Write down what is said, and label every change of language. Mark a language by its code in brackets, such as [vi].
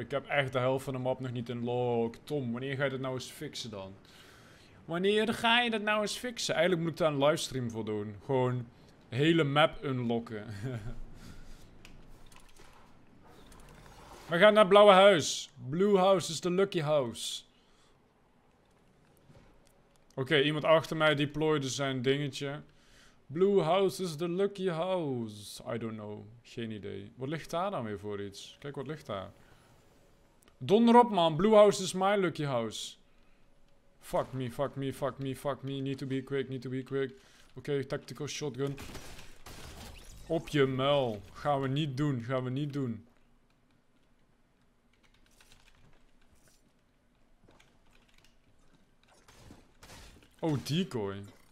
[nl] Ik heb echt de helft van de map nog niet in lock. Tom, wanneer ga je dat nou eens fixen dan? Wanneer ga je dat nou eens fixen? Eigenlijk moet ik daar een livestream voor doen. Gewoon de hele map unlocken. We gaan naar het blauwe huis. [en] Blue house is the lucky house. [nl] Oké, okay, iemand achter mij deployde zijn dingetje. [en] Blue house is the lucky house. I don't know. [nl] Geen idee. Wat ligt daar dan weer voor iets? Kijk wat ligt daar. Donder op, man. [en] Blue house is my lucky house. Fuck me, fuck me, fuck me, fuck me. Need to be quick, need to be quick. [nl] Oké, okay, [en] tactical shotgun. [nl] Op je mel. Gaan we niet doen, gaan we niet doen. [en] Oh, decoy.